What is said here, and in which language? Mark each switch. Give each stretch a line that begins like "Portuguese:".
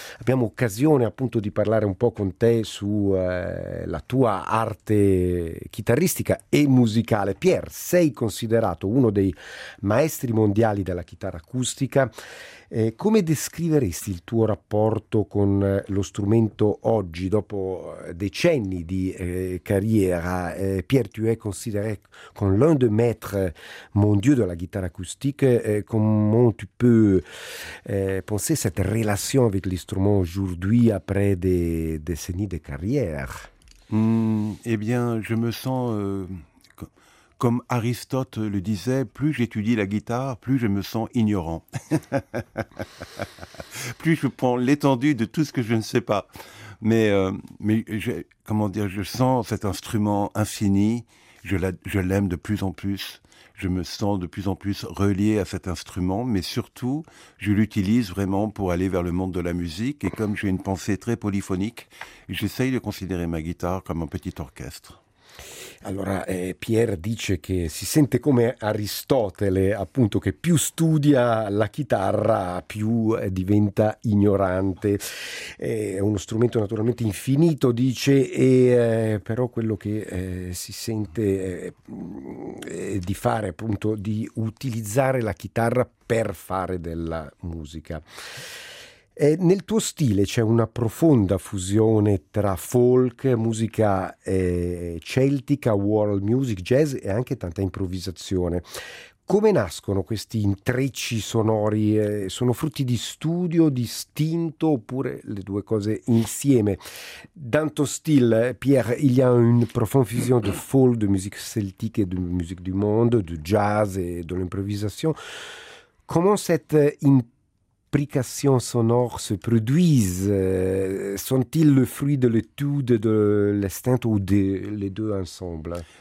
Italian: Abbiamo occasione appunto di parlare un po' con te su la tua arte chitarristica e musicale. Pierre, sei considerato uno dei maestri mondiali della chitarra acustica. Come descriveresti il tuo rapporto con lo strumento oggi, dopo decenni di carriera?
French: Pierre, tu es considéré comme l'un des maîtres mondiaux de la guitare acoustique. Comment tu peux penser cette relation avec l'instrument aujourd'hui après des décennies de carrière? Eh bien, je me sens, comme Aristote le disait, plus j'étudie la guitare, plus je me sens ignorant. Plus je prends l'étendue de tout ce que je ne sais pas. Mais je sens cet instrument infini, je l'aime de plus en plus, je me sens de plus en plus relié à cet instrument, mais surtout, je l'utilise vraiment pour aller vers le monde de la musique, et comme j'ai une pensée très polyphonique, j'essaye de considérer ma guitare comme un petit orchestre.
Italian: Allora, Pierre dice che si sente come Aristotele, appunto, che più studia la chitarra più diventa ignorante. È uno strumento naturalmente infinito, dice, però quello che si sente di fare, appunto, di utilizzare la chitarra per fare della musica. Nel tuo stile c'è una profonda fusione tra folk, musica celtica, world music, jazz e anche tanta improvvisazione. Come nascono questi intrecci sonori? Sono frutti di studio, di istinto oppure le due cose insieme?
French: Dans ton style, Pierre, il y a une profonde fusion de folk, de musique celtique et de musique du monde, de jazz et de l'improvisation. Comment cette implications sonores se produisent, sont-ils le fruit de l'étude de l'instinct ou les deux ensemble?